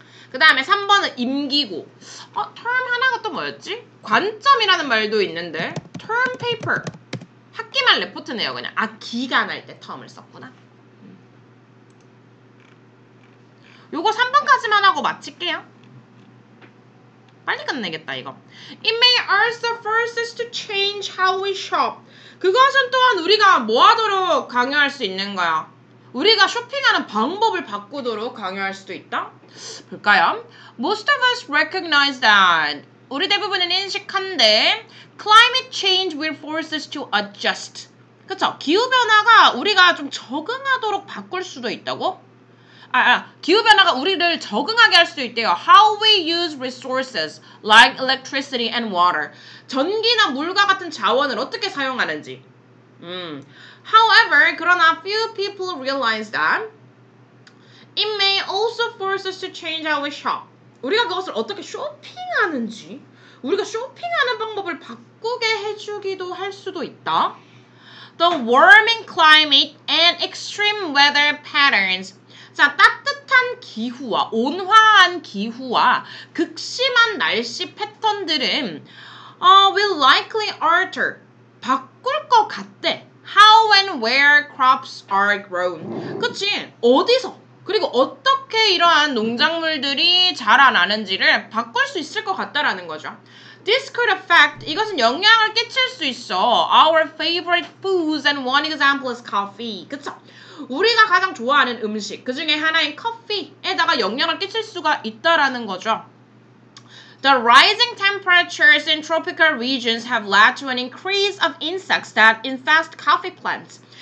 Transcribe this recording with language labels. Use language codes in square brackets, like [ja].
[ko] 그 다음에 3번은 임기고. 어? Term 하나가 또 뭐였지? 관점이라는 말도 있는데. [en] Term paper. [ko] 학기말 레포트네요 그냥. 아 기간할 때 term을 썼구나. 요거 3번까지만 하고 마칠게요. 빨리 끝내겠다 이거. [en] It may also force us to change how we shop. [ko] 그것은 또한 우리가 뭐 하도록 강요할 수 있는 거야. 우리가 쇼핑하는 방법을 바꾸도록 강요할 수도 있다? 볼까요? [en] Most of us recognize that. [ko] 우리 대부분은 인식한데 [en] Climate change will force us to adjust. [ko] 그쵸? 기후변화가 우리가 좀 적응하도록 바꿀 수도 있다고? 기후변화가 우리를 적응하게 할 수도 있대요. [en] How we use resources like electricity and water. [ko] 전기나 물과 같은 자원을 어떻게 사용하는지. [en] However, [ko] 그러나 [en] few people realize that it may also force us to change our shop. [ko] 우리가 그것을 어떻게 쇼핑하는지, 우리가 쇼핑하는 방법을 바꾸게 해주기도 할 수도 있다. [en] The warming climate and extreme weather patterns. [ko] 자, 따뜻한 기후와 온화한 기후와 극심한 날씨 패턴들은 [en] will likely alter, [ko] 바꿀 것 같대. [en] How and where crops are grown. [ko] 그치? 어디서? 그리고 어떻게 이러한 농작물들이 자라나는지를 바꿀 수 있을 것 같다라는 거죠. [en] This could affect, [ko] 이것은 영향을 끼칠 수 있어. [en] Our favorite foods and one example is coffee. [ko] 그쵸? 우리가 가장 좋아하는 음식, 그 중에 하나인 커피에다가 영향을 끼칠 수가 있다라는 거죠. [en] The rising temperatures in tropical regions have led to an increase of insects that infest coffee plants.